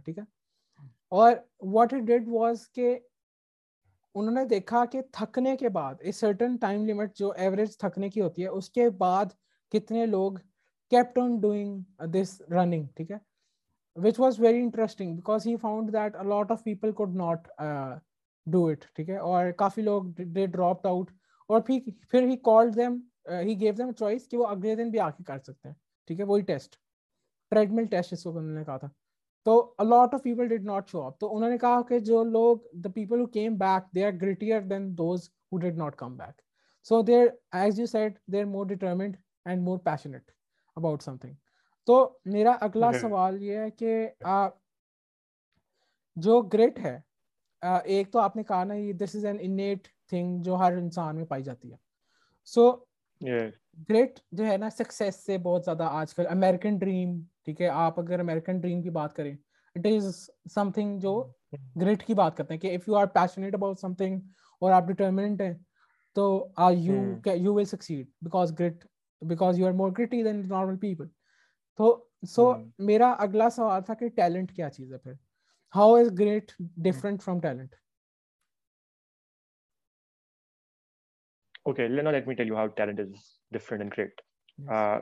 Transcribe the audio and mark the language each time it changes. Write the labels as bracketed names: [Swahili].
[Hindi] theek hai, aur [English] what he did was [Hindi] ke unhone dekha ke thakne ke baad [English] a certain time limit [Hindi] jo average thakne ki hoti hai uske baad kitne log [English] kept on doing this running. [Hindi] theek hai, [English] which was very interesting because he found that a lot of people could not do it. [Hindi] ठीक है, और काफी लोग [English] they dropped out, [Hindi] और फिर [English] he called them, he gave them a choice [Hindi] कि वो अगले दिन भी आके कर सकते हैं. ठीक है, वही टेस्ट, ट्रेडमिल टेस्ट इसको उन्होंने कहा था. [English] तो a lot of people did not show up, [Hindi] तो उन्होंने कहा कि जो लोग [English] the people who came back they are grittier than those who did not come back, so they're as you said they're more determined and more passionate about something. [Hindi] तो मेरा अगला सवाल ये है कि जो grit है, एक तो आपने कहा ना [English] this is an innate thing [Hindi] जो हर इंसान में पाई जाती है, सो ग्रेट जो है ना सक्सेस से बहुत ज्यादा आजकल अमेरिकन ड्रीम, ठीक है, आप अगर अमेरिकन ड्रीम की बात करें, [English] it is something [Hindi] जो ग्रेट की बात करते हैं कि [English] if you are passionate about something [Hindi] और आप डिटरमिनेंट हैं तो [English] You will succeed because you are more gritty than normal people. [Hindi] तो सो मेरा अगला सवाल था कि टैलेंट क्या चीज है फिर. [English] How is grit different from talent? Okay, Lena, let me tell you how talent is different and grit. Yes.